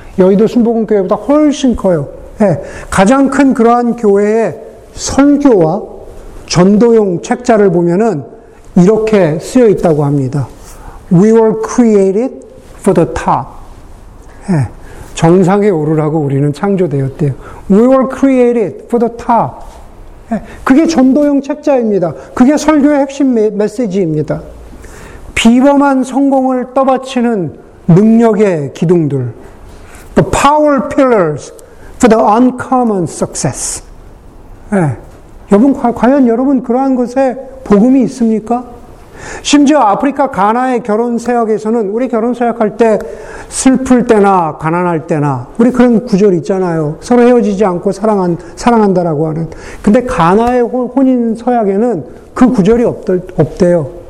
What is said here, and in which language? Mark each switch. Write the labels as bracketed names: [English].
[Korean] 여의도 순복음교회보다 훨씬 커요. 예, 가장 큰 그러한 교회의 설교와 전도용 책자를 보면은 이렇게 쓰여 있다고 합니다. [English] We were created for the top. [Korean] 예, 정상에 오르라고 우리는 창조되었대요. [English] We were created for the top. [Korean] 예, 그게 전도형 책자입니다. 그게 설교의 핵심 메시지입니다. 비범한 성공을 떠받치는 능력의 기둥들. [English] The power pillars for the uncommon success. [Korean] 예, 여러분, 과연 여러분 그러한 것에 복음이 있습니까? 심지어 아프리카 가나의 결혼서약에서는, 우리 결혼서약할 때 슬플 때나 가난할 때나 우리 그런 구절 있잖아요. 서로 헤어지지 않고 사랑한다라고 하는. 근데 가나의 혼인서약에는 그 구절이 없대요.